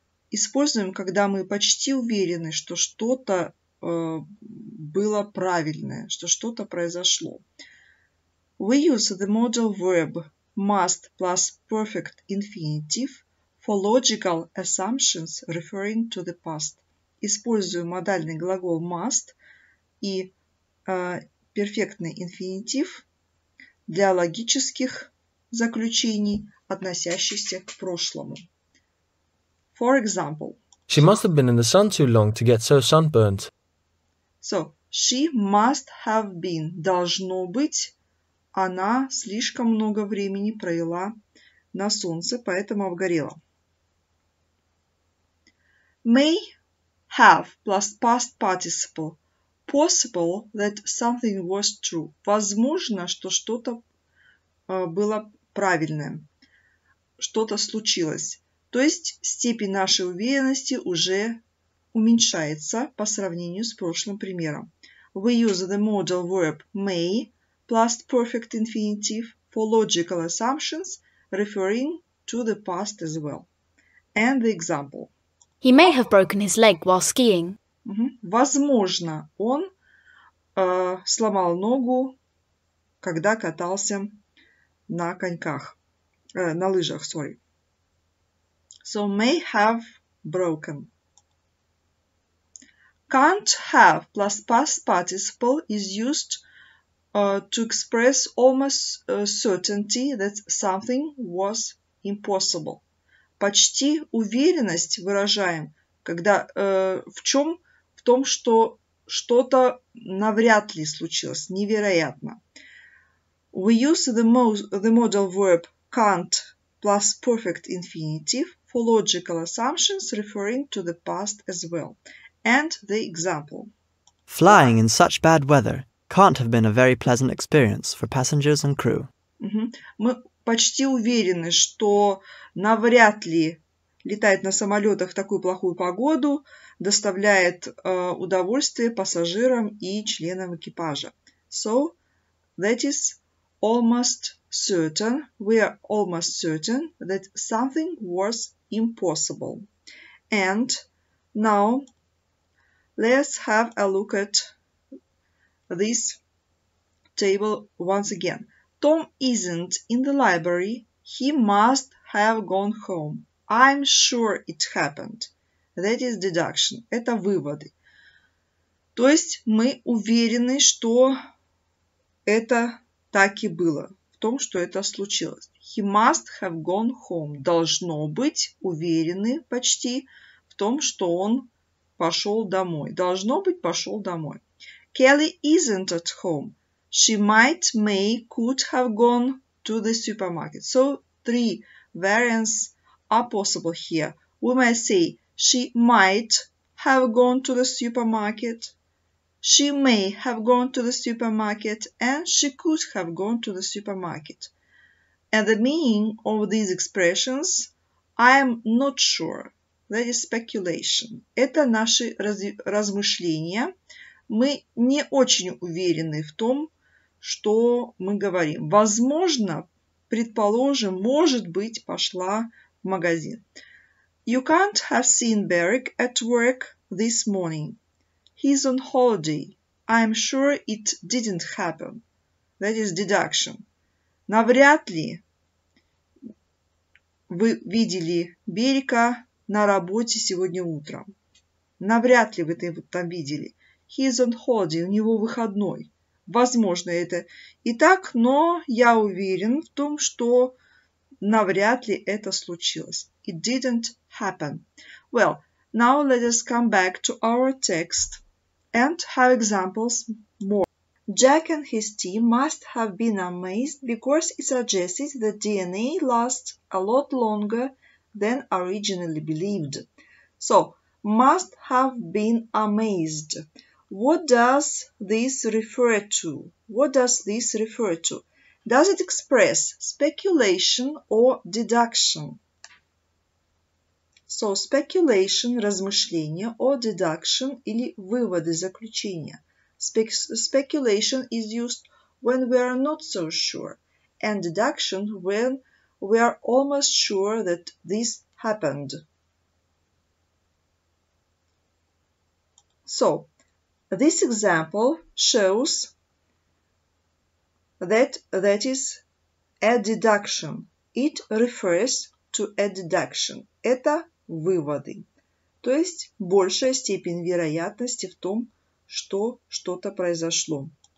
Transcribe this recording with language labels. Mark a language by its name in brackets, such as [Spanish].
[Russian] Используем, когда мы почти уверены, что что-то было правильное, что что-то произошло. [English] We use the modal verb must plus perfect infinitive for logical assumptions referring to the past. [Russian] Использую модальный глагол must и перфектный инфинитив для логических заключений, относящихся к прошлому. [English] For example, she must have been in the sun too long to get so sunburnt. So, she must have been, [Russian] должно быть, она слишком много времени провела на солнце, поэтому обгорела. [English] May have plus past participle. Possible that something was true. [Russian] Возможно, что что-то было правильное. Что-то случилось. То есть степень нашей уверенности уже уменьшается по сравнению с прошлым примером. [English] We use the modal verb may plus perfect infinitive for logical assumptions referring to the past as well. And the example. He may have broken his leg while skiing. [Russian] Возможно, он сломал ногу, когда катался на коньках, на лыжах, [English] sorry. So may have broken. Can't have plus past participle is used to express almost certainty that something was impossible. [Russian] Почти уверенность выражаем, когда в том, что что-то навряд ли случилось, невероятно. [English] We use the modal verb can't plus perfect infinitive for logical assumptions referring to the past as well. And the example. Flying in such bad weather can't have been a very pleasant experience for passengers and crew. [Russian] Мы почти уверены, что навряд ли летать на самолетах в такую плохую погоду доставляет удовольствие пассажирам и членам экипажа. [English] So, that is almost certain. We are almost certain that something was impossible. And now, let's have a look at this table once again. Tom isn't in the library. He must have gone home. I'm sure it happened. That is deduction. [Russian] Это выводы. То есть мы уверены, что это так и было. В том, что это случилось. [English] He must have gone home. [Russian] Должно быть уверены почти в том, что он пошел домой. Должно быть пошел домой. [English] Kelly isn't at home. She might, may, could have gone to the supermarket. So, three variants are possible here. We may say, she might have gone to the supermarket. She may have gone to the supermarket and she could have gone to the supermarket. And the meaning of these expressions, I am not sure. That is speculation. [Russian] Это наши размышления. Мы не очень уверены в том, что мы говорим. Возможно, предположим, может быть, пошла в магазин. [English] You can't have seen Beric at work this morning. He's on holiday. I'm sure it didn't happen. That is deduction. [Russian] Навряд ли вы видели Берика на работе сегодня утром. Навряд ли вы это там видели. [English] He's on holiday. [Russian] У него выходной. Возможно, это и так, но я уверен в том, что навряд ли это случилось. [English] It didn't happen. Well, now let us come back to our text and have examples more. Jack and his team must have been amazed because it suggested that DNA lasts a lot longer than originally believed. So, must have been amazed. What does this refer to? What does this refer to? Does it express speculation or deduction? So, speculation, [Russian] размышление, [English] or deduction, [Russian] или выводы, заключения. [English] Speculation is used when we are not so sure, and deduction when we are almost sure that this happened. So, this example shows that that is a deduction. It refers to a deduction. [Russian] Это выводы. То есть большая степень вероятности в том, что что-то произошло.